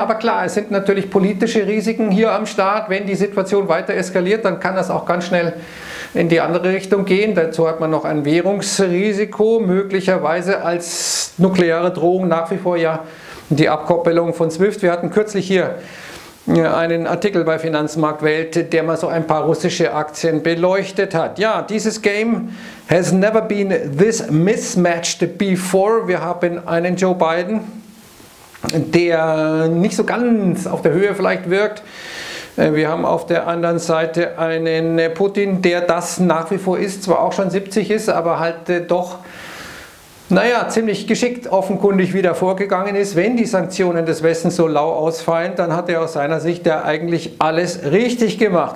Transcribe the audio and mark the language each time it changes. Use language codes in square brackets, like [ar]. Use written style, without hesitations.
[de] Aber klar, es sind natürlich politische Risiken hier am Start. Wenn die Situation weiter eskaliert, dann kann das auch ganz schnell in die andere Richtung gehen. Dazu hat man noch ein Währungsrisiko, möglicherweise als nukleare Drohung nach wie vor ja die Abkoppelung von SWIFT. Wir hatten kürzlich hier einen Artikel bei Finanzmarktwelt, der mal so ein paar russische Aktien beleuchtet hat. Ja, dieses [en] Game has never been this mismatched before. [de] Wir haben einen Joe Biden, der nicht so ganz auf der Höhe vielleicht wirkt. Wir haben auf der anderen Seite einen Putin, der das nach wie vor ist, zwar auch schon 70 ist, aber halt doch Naja, ziemlich geschickt offenkundig wieder vorgegangen ist. Wenn die Sanktionen des Westens so lau ausfallen, dann hat er aus seiner Sicht ja eigentlich alles richtig gemacht.